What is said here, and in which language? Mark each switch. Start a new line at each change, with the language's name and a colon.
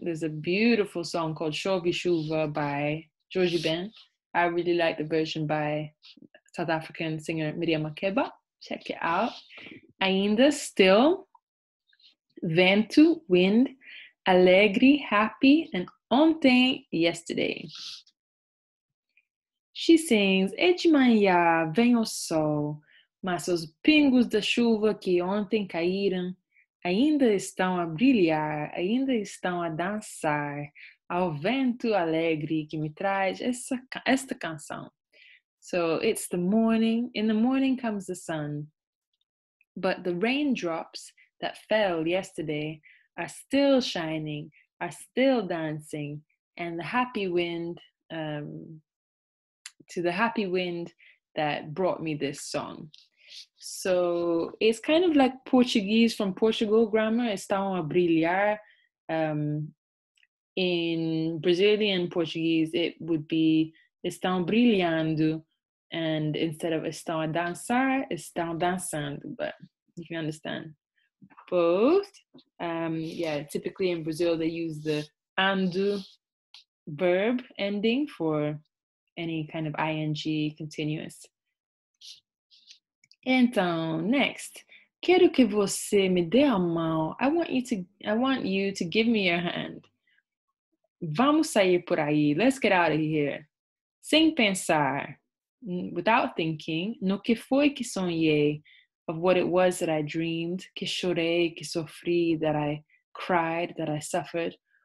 English: There's a beautiful song called Chove Chuva by Jorge Ben. I really like the version by South African singer Miriam Makeba. Check it out. Ainda, still, vento, wind, alegre, happy, and ontem, yesterday. She sings,
Portuguese: e de manhã vem o sol, mas os pingos da chuva que ontem caíram ainda estão a brilhar, ainda estão a dançar ao vento alegre que me traz esta canção.
English: So it's the morning, in the morning comes the sun, but the raindrops that fell yesterday are still shining, are still dancing, and the happy wind, to the happy wind that brought me this song. So it's kind of like Portuguese from Portugal grammar, estão a brilhar. In Brazilian Portuguese, it would be estão brilhando, and instead of estão a dançar, estão dançando, but you can understand. Both, yeah, typically in Brazil they use the ando verb ending for any kind of ing continuous.
Portuguese: Então,
English: next,
Portuguese: quero que você me dê a mão.
English: I want you to give me your hand.
Portuguese: Vamos sair por aí.
English: Let's get out of here.
Portuguese: Sem pensar,
English: without thinking,
Portuguese: no que foi que sonhei,
English: of what it was that I dreamed,
Portuguese: que chorei, que sofri,
English: that I cried, that I suffered.